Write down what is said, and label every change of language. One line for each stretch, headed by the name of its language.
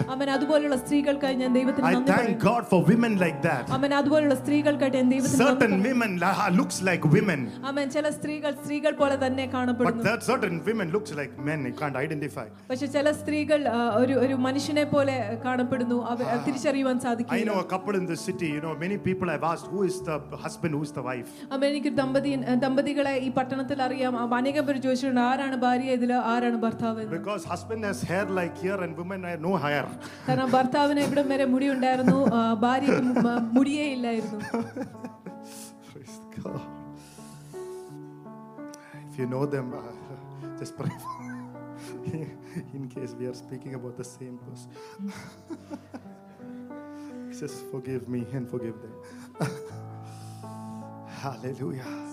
Malayalam: അവൻ അതുപോലുള്ള സ്ത്രീകൾക്കായി ഞാൻ ദൈവത്തിന് നന്ദി പറയുന്നു.
English: I thank God for women like that.
Malayalam: അവൻ അതുപോലുള്ള സ്ത്രീകൾക്കായി ഞാൻ ദൈവത്തിന് നന്ദി പറയുന്നു.
English: Certain women looks like women.
Malayalam: അവൻ ചില സ്ത്രീകൾ പോലെ തന്നെ കാണപ്പെടുന്നു.
English: But certain women looks like men, you can't identify.
Malayalam: പക്ഷേ ചില സ്ത്രീകൾ ഒരു ഒരു മനുഷ്യനെ പോലെ കാണപ്പെടുന്നു, തിരിച്ചറിയാൻ സാധിക്കും.
English: I know a couple in the city, you know, many people have asked, who is the husband, who is the wife.
Malayalam: American ദമ്പതികളെ ഈ പട്ടണത്തിൽ അറിയാം, അനേകം പേര് ചോദിച്ചിട്ടുണ്ട് ആരാണ് ഭാര്യ ഇതിൽ ആരാണ് ഭർത്താവ്.
English: Because husband has hair like here and women have no hair.
Malayalam: കാരണം ഭർത്താവിന് ഇവിടം വരെ മുടി ഉണ്ടായിരുന്നു, ഭാര്യക്ക് മുടിയേ ഇല്ലായിരുന്നു.
English: Praise God. If you know them, just pray for them. In case we are speaking about the same person, just forgive me and forgive them. Hallelujah.